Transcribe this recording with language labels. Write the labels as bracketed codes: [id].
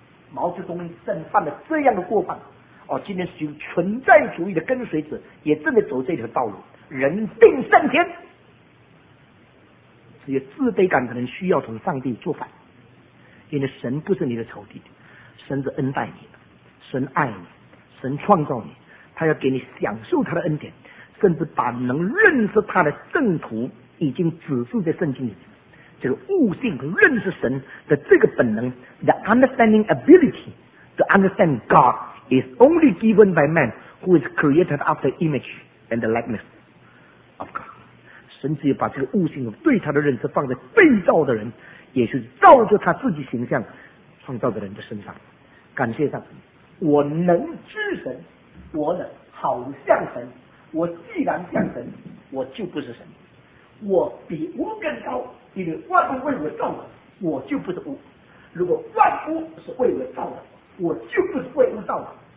[zh] 毛泽东正犯了这样的过犯，哦，今天许存在主义的跟随者也正在走这条道路，人定胜天，只有自卑感的人需要从上帝做反，因为神不是你的仇敌。神是恩待你的，神爱你，神创造你，他要给你享受他的恩典，甚至把能认识他的圣徒已经指示在圣经里面。这个悟性认识神的这个本能 [en] The understanding ability to understand God is only given by man who is created after image and the likeness of God。 [zh] 神只有把这个悟性对他的认识放在被造的人，也就是造就他自己形象创造的人的身上。感谢上帝，我能知神，我呢好像神，我既然像神，我就不是神，我比无更高，因为万物为我造的，我就不是无，如果万物是为我造的，我就不是为物造的。